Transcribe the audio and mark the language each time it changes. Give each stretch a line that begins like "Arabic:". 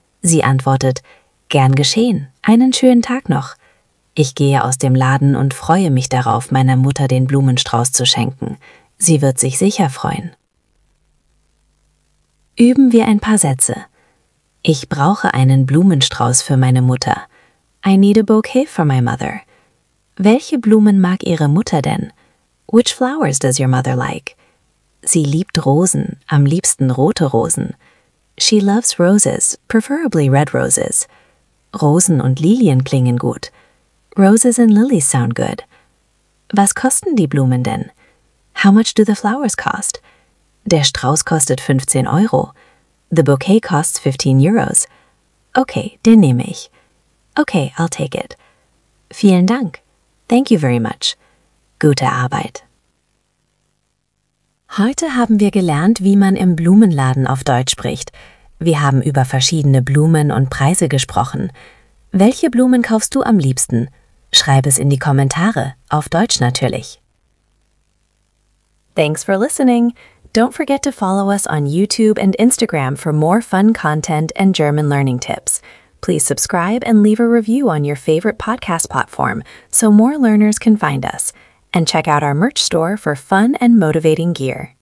German: Sie antwortet, gern geschehen, einen schönen Tag noch. Ich gehe aus dem Laden und freue mich darauf, meiner Mutter den Blumenstrauß zu schenken. Sie wird sich sicher freuen. Üben wir ein paar Sätze. Ich brauche einen Blumenstrauß für meine Mutter.
English: I need a bouquet for my mother.
German: Welche Blumen mag Ihre Mutter denn?
English: Which flowers does your mother like?
German: Sie liebt Rosen, am liebsten rote Rosen.
English: She loves roses, preferably red roses.
German: Rosen und Lilien klingen gut.
English: Roses and lilies sound good.
German: Was kosten die Blumen denn?
English: How much do the flowers cost?
German: Der Strauß kostet 15 Euro.
English: The bouquet costs 15 euros.
German: Okay, den nehme ich.
English: Okay, I'll take it.
German: Vielen Dank.
English: Thank you very much.
German: Gute Arbeit. Heute haben wir gelernt, wie man im Blumenladen auf Deutsch spricht. Wir haben über verschiedene Blumen und Preise gesprochen. Welche Blumen kaufst du am liebsten? Schreib es in die Kommentare, auf Deutsch natürlich.
English: Thanks for listening. Don't forget to follow us on YouTube and Instagram for more fun content and German learning tips. Please subscribe and leave a review on your favorite podcast platform so more learners can find us. And check out our merch store for fun and motivating gear.